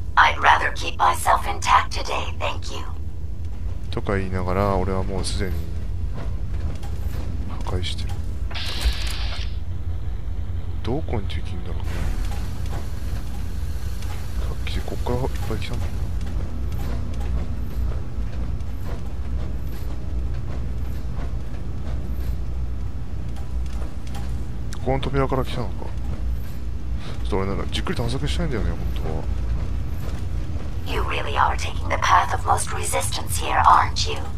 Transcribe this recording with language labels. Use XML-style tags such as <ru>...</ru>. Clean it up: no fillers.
<en>I'd rather keep myself intact today, thank you.</en> <ja>とか言いながら俺はもうすでに破壊してる。どこに敵いんだろう、ね、さっきこっからいっぱい来たんだ。この扉から来たのか。ちょっと俺なんかじっくり探索したいんだよね、本当は。</ja> <en>You really are taking the path of most resistance here, aren't you?</en>